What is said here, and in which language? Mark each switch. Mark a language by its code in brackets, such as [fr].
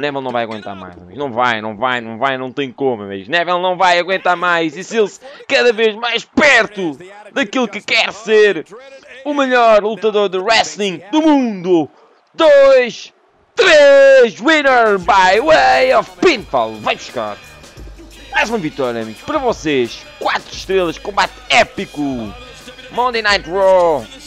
[pt] Neville não vai aguentar mais. Não vai, não vai, não vai. Não tem como. Mas Neville não vai aguentar mais. E Seals cada vez mais perto daquilo que quer ser o melhor lutador de wrestling do mundo. [en] 2. 3 winner by way of pinfall. [pt] Vai buscar mais uma vitória, amigos, para vocês. 4 estrelas, combate épico. Monday Night Raw.